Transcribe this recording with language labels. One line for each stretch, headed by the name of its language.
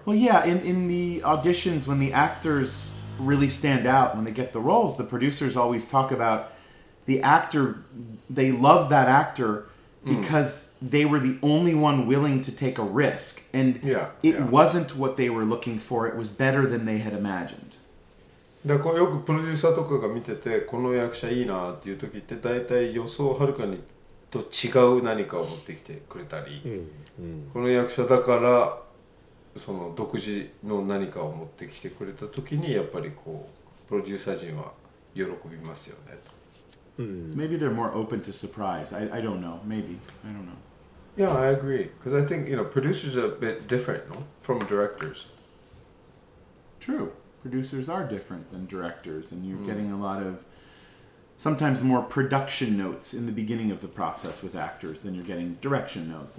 English: Well, yeah, in the auditions, when the actors really stand out, when they get the roles, the producers always talk about the actor, they love that actor because they were the only one willing to take a risk. And it wasn't what they were looking for. It was better than they had imagined.
Japanese: だからよくプロデューサーとかが見てて、この役者いいなっていう時って、大体予想をはるかにと違う何かを持ってきてくれたり、うんうん、この役者だからその独自の何かを持ってきてくれた時に、やっぱりこうプロデューサー陣は喜びますよねと。
English: So maybe they're more open to surprise. I don't know. Maybe. I don't know. Yeah, I agree. Because I think, you know, producers are a bit different, no? From directors. True. Producers are different than directors. And you're getting a lot of, sometimes more production notes in the beginning of the process with actors than you're getting direction notes.